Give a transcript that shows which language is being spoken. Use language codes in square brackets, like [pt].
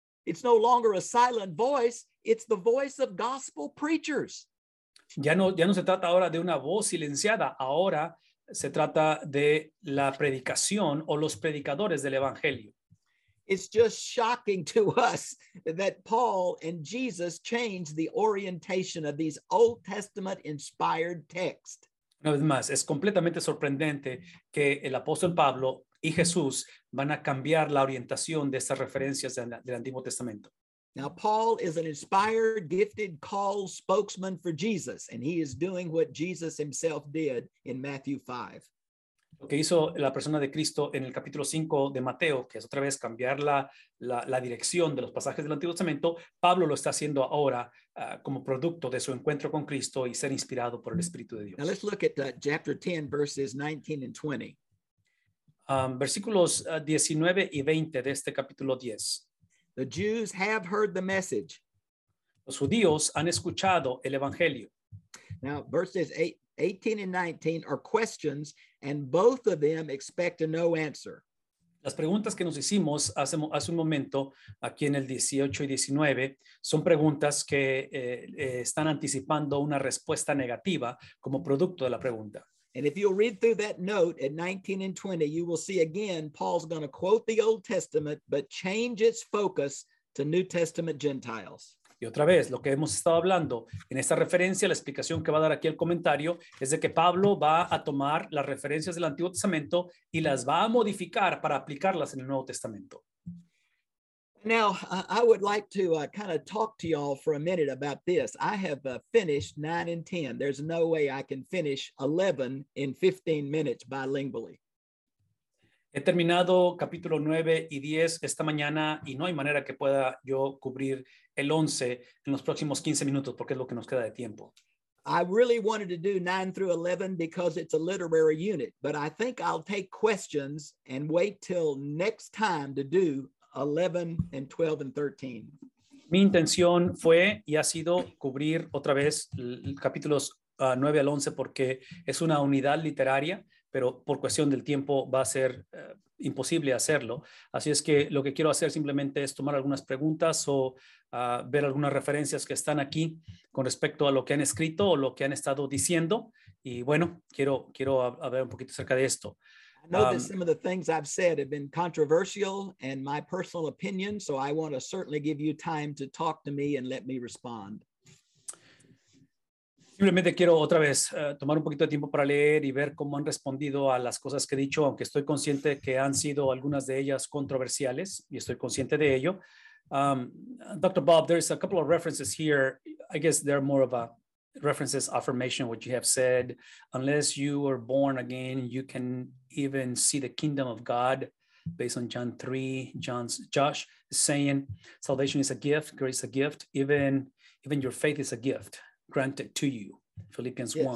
[en] It's no longer a silent voice, it's the voice of gospel preachers. [es] Ya no se trata ahora de una voz silenciada, ahora se trata de la predicación o los predicadores del evangelio. [en] It's just shocking to us that Paul and Jesus changed the orientation of these Old Testament inspired texts. [es] Una vez más, es completamente sorprendente que el apóstol Pablo y Jesús van a cambiar la orientación de estas referencias del Antiguo Testamento. [en] Now, Paul is an inspired, gifted, called spokesman for Jesus, and he is doing what Jesus himself did in Matthew 5. [es] Lo que hizo la persona de Cristo en el capítulo 5 de Mateo, que es otra vez cambiar la dirección de los pasajes del Antiguo Testamento, Pablo lo está haciendo ahora como producto de su encuentro con Cristo y ser inspirado por el Espíritu de Dios. [en] Now let's look at chapter 10, verses 19 and 20. [es] Versículos 19 y 20 de este capítulo 10. [en] The Jews have heard the message. [es] Los judíos han escuchado el Evangelio. [en] Now, verses 18 and 19 are questions, and both of them expect a no answer. [es] Las preguntas que nos hicimos hace un momento, aquí en el 18 y 19, son preguntas que están anticipando una respuesta negativa como producto de la pregunta. [en] And if you'll read through that note at 19 and 20, you will see again, Paul's going to quote the Old Testament, but change its focus to New Testament Gentiles. [es] Y otra vez, lo que hemos estado hablando en esta referencia, la explicación que va a dar aquí el comentario, es de que Pablo va a tomar las referencias del Antiguo Testamento y las va a modificar para aplicarlas en el Nuevo Testamento. [en] Now, I would like to kind of talk to y'all for a minute about this. I have finished 9 and 10. There's no way I can finish 11 in 15 minutes bilingually. [es] He terminado capítulo 9 y 10 esta mañana y no hay manera que pueda yo cubrir el 11 en los próximos 15 minutos porque es lo que nos queda de tiempo. [en] I really wanted to do 9 through 11 because it's a literary unit, but I think I'll take questions and wait till next time to do 11 and 12 and 13. [es] Mi intención fue y ha sido cubrir otra vez capítulos 9 al 11 porque es una unidad literaria, pero por cuestión del tiempo va a ser imposible hacerlo. Así es que lo que quiero hacer simplemente es tomar algunas preguntas o ver algunas referencias que están aquí con respecto a lo que han escrito o lo que han estado diciendo. Y bueno, quiero hablar un poquito acerca de esto. [en] I know that some of the things I've said have been controversial and my personal opinion, so I want to certainly give you time to talk to me and let me respond. [es] Simplemente quiero otra vez tomar un poquito de tiempo para leer y ver cómo han respondido a las cosas que he dicho, aunque estoy consciente que han sido algunas de ellas controversiales y estoy consciente de ello. [en] Dr. Bob, there's a couple of references here. I guess they're more of a references affirmation, what you have said. Unless you are born again, you can even see the kingdom of God based on John 3. Josh is saying salvation is a gift, grace a gift, even your faith is a gift granted to you, Philippians yes.